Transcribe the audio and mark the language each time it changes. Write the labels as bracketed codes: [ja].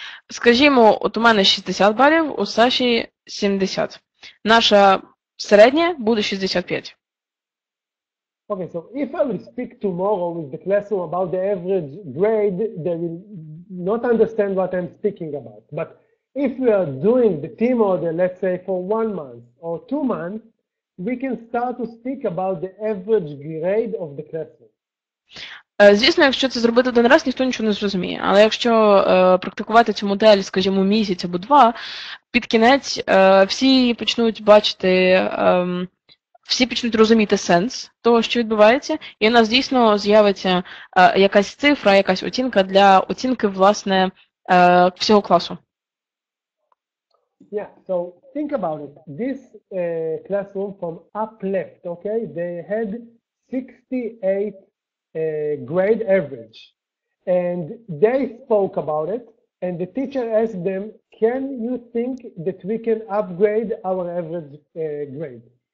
[uk] Скажімо, от у мене 60 балів, у Саші 70. Наша середня буде 65. [en] Okay, so if I will speak tomorrow with the classroom about the average grade, they will not understand what I'm speaking about. But if we are doing the team order, let's say for 1 month or 2 months, we can start to speak about the average grade of the classroom. [uk] Звісно, якщо це зробити один раз, ніхто нічого не зрозуміє. Але якщо практикувати цю модель, скажімо, місяць або два, під кінець всі почнуть бачити, всі почнуть розуміти сенс того, що відбувається, і у нас дійсно з'явиться якась цифра, якась оцінка для оцінки, власне, всього класу. [en] Yeah, so think about it. This classroom from up left, okay, they had 68 grade average. And they spoke about it, and the teacher asked them, can you think that we can upgrade our average grade?